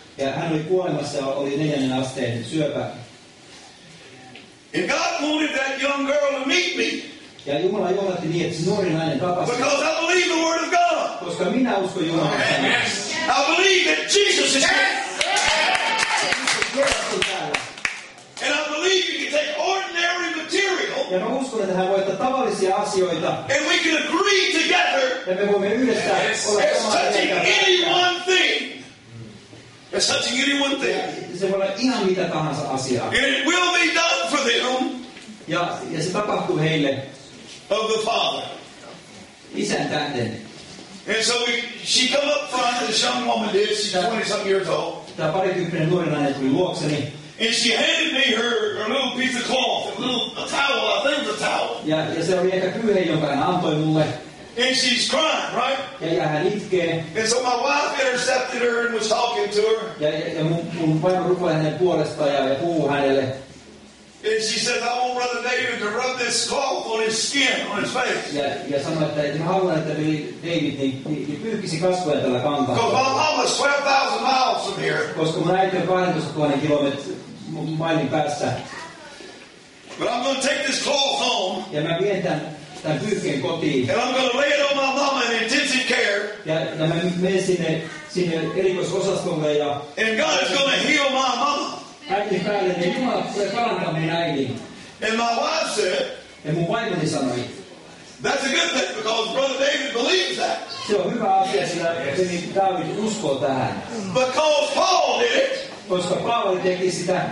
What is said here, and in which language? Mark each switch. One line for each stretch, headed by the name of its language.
Finnish: Ja hän oli kuolemassa ja oli neljännen asteen syöpä.
English: And God wanted that young girl to meet me.
Finnish: Ja Jumala johdatti niin, että nuori nainen tapasi.
English: Because I believe the word of God.
Finnish: Koska minä uskon Jumalan sanaan.
English: Yes. I believe that Jesus is here. Yes. And I believe you can take ordinary material.
Finnish: Ja mä uskon, että hän voi ottaa tavallisia asioita.
English: And we can agree together.
Finnish: Ja me voimme yhdessä olla samaa mieltä.
English: Any one thing. It's touching any one thing.
Finnish: Se voi olla ihan mitä tahansa asiaa.
English: And it will be done for them.
Finnish: Ja se tapahtuu heille.
English: Of the Father.
Finnish: Isän tähden.
English: And so she come up front, this young woman did. She's 20-something years old.
Finnish: Tämä parikymppinen nuori nainen tuli luokseni.
English: And she handed me her little piece of cloth, a towel, I think it was a towel.
Finnish: Ja se oli ehkä pyyhe, jonka hän antoi mulle.
English: And she's crying, right?
Finnish: Ja hän itkee.
English: And so my wife intercepted her and was talking to her.
Finnish: Ja mun vaimo rupeaa hänen puolestaan ja puhuu hänelle.
English: And she said, I want Brother David to rub this cloth on his skin, on his face.
Finnish: Ja sanoi, että mä haluan, että David pyyhkisi kasvoja tällä kantaa.
English: Because my mom was 12,000 miles from here.
Finnish: Koska mun äiti on 12,000 kilometrin mailin päässä.
English: But I'm going to take this cloth home.
Finnish: Ja mä vien tämän.
English: And I'm going to lay it on my mama in intensive care.
Finnish: Ja mä menen sinne erikoisosastolle ja.
English: And God is going to heal my mama.
Finnish: Äiti päälle, niin Jumala tulee parantaa meidän äidin.
English: And my wife said.
Finnish: Ja mun vaimoni sanoi.
English: That's a good thing because Brother David believes that.
Finnish: Se on hyvä asia, sillä niin David uskoo tähän.
English: Because Paul did it.
Finnish: Koska Paavali teki sitä.